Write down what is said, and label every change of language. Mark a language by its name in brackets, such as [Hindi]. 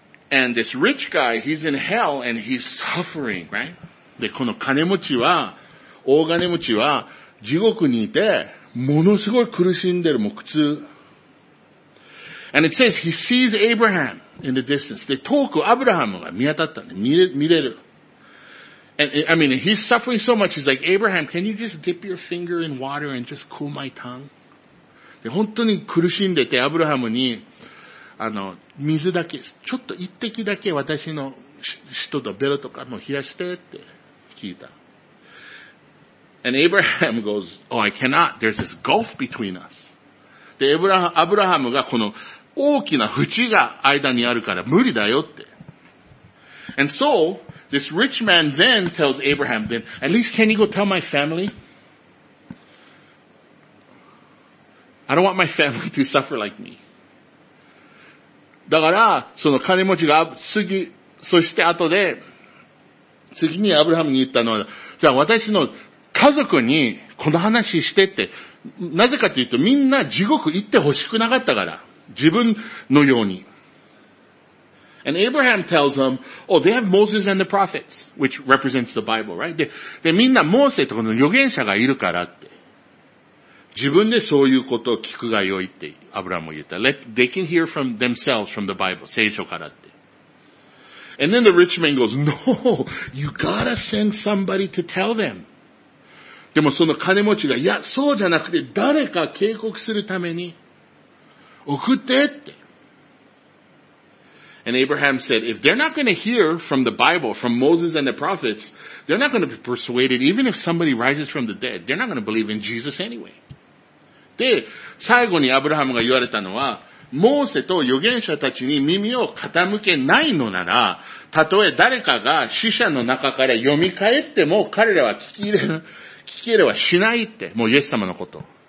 [English] And this rich guy, he's in hell and he's suffering, right? [Japanese] で、この金持ちは、大金持ちは、地獄にいて、ものすごい苦しんでる、もう苦痛。 [English] And it says he sees Abraham in the distance. [Japanese] で、遠くアブラハムが見当たったね。見れる。 [English] And, I mean, he's suffering so much, he's like, Abraham, can you just dip your finger in water and just cool my tongue? [Japanese] で、本当に苦しんでて、アブラハムに、水だけ、ちょっと一滴だけ私の舌とベロとかも冷やしてって聞いた。 [English] And Abraham goes, oh, I cannot, there's this gulf between us. [Japanese] で、アブラハムがこの大きな縁が間にあるから無理だよって。 [English] And so, this rich man then tells Abraham, then, at least can you go tell my family? I don't want my family to suffer like me. [Japanese] だから、その金持ちが次、そして後で、次にアブラハムに言ったのは、じゃあ私の家族にこの話してって、なぜかというとみんな地獄行ってほしくなかったから、自分のように。 [English] And Abraham tells them, oh, they have Moses and the prophets, which represents the Bible, right? [Japanese] で、みんなモーセとこの預言者がいるからって。自分でそういうことを聞くがよいって、アブラハムも言った。 [English] They can hear from themselves from the Bible, [Japanese] 聖書からって。 [English] And then the rich man goes, no, you gotta send somebody to tell them. [Japanese] でもその金持ちが、いや、そうじゃなくて、誰か警告するために、送ってって。 [English] And Abraham said, if they're not going to hear from the Bible, from Moses and the prophets, they're not going to be persuaded, even if somebody rises from the dead, they're not going to believe in Jesus anyway. [Japanese] で、最後にアブラハムが言われたのは、モーセと預言者たちに耳を傾けないのなら、たとえ誰かが死者の中から読み返っても彼らは聞き入れはしないって、もうイエス様のこと。